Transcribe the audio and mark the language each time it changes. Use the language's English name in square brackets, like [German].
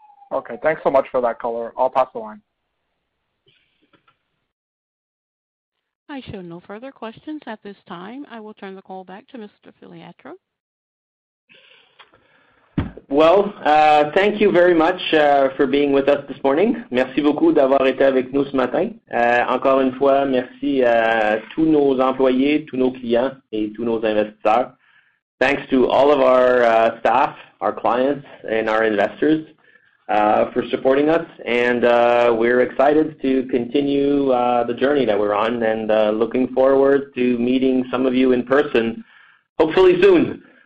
[English] Okay, thanks so much for that color. I'll pass the line. I show no further questions at this time. I will turn the call back to Mr. Filiatro. Well, thank you very much for being with us this morning. [French] Merci beaucoup d'avoir été avec nous ce matin. Encore une fois, merci à tous nos employés, tous nos clients et tous nos investisseurs. [English] Thanks to all of our staff, our clients and our investors for supporting us. And we're excited to continue the journey that we're on and looking forward to meeting some of you in person, hopefully soon.